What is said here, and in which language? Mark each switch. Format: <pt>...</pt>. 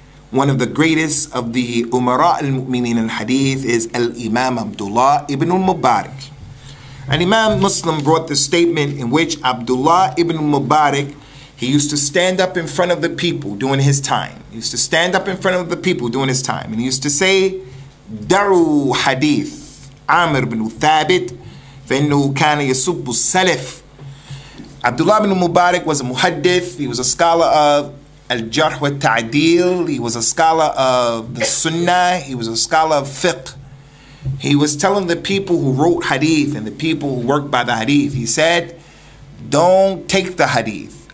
<en>One of the greatest of the Umara al-Mu'mineen in Hadith is Al-Imam Abdullah ibn al-Mubarak. Al-Imam Muslim brought the statement in which Abdullah ibn al-Mubarak, he used to stand up in front of the people during his time. He used to stand up in front of the people during his time. And he used to say, Daru Hadith,</en> <ar>Amr ibn Thabit, فإنه كان يسب السلف.</ar> <en>Abdullah ibn Mubarak was a muhaddith. He was a scholar of al-jarh wa ta'dil. He was a scholar of the sunnah. He was a scholar of fiqh. He was telling the people who wrote hadith and the people who worked by the hadith, he said, don't take the hadith.</en>